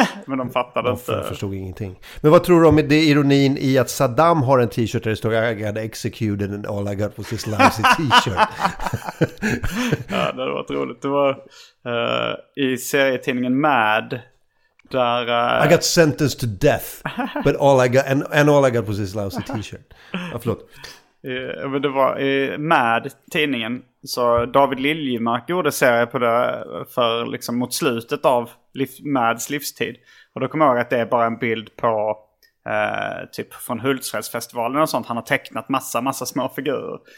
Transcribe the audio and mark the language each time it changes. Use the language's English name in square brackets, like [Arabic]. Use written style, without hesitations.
[Swedish] Men de fattade inte. De förstod ingenting. Men vad tror du om det ironin i att Saddam har en t-shirt där det står [English] I got executed and all I got was this lousy t-shirt? [Swedish] Ja, det var otroligt. Det var i serietidningen Mad där [English] I got sentenced to death but all I got was this lousy t-shirt. [Swedish] Ja, förlåt. Men det var i Mad tidningen så David Liljemark gjorde serie på det för liksom mot slutet av Mads livstid. Och då kommer jag ihåg att det är bara en bild på typ från Hultsfredsfestivalen och sånt. Han har tecknat massa små figurer.